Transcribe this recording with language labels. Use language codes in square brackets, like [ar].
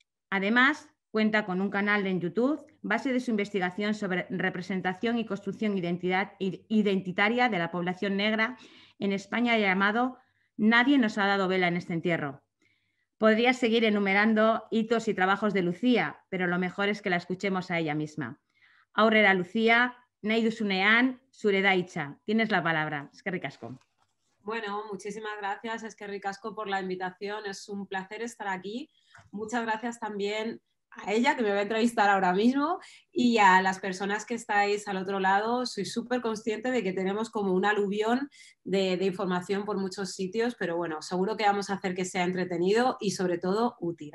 [es] Además, cuenta con un canal en YouTube, base de su investigación sobre representación y construcción identitaria de la población negra en España, llamado Nadie nos ha dado vela en este entierro. Podría seguir enumerando hitos y trabajos de Lucía, pero lo mejor es que la escuchemos a ella misma. [eu] Aurrera Lucía, nahi duzunean, zure da hitza. [es] Tienes la palabra. [eu] Eskerrik asko. [es] Bueno, muchísimas gracias, [eu] Eskerrik asko, [es] por la invitación. Es un placer estar aquí. Muchas gracias también a ella, que me va a entrevistar ahora mismo, y a las personas que estáis al otro lado. Soy súper consciente de que tenemos como un aluvión de información por muchos sitios, pero bueno, seguro que vamos a hacer que sea entretenido y sobre todo útil.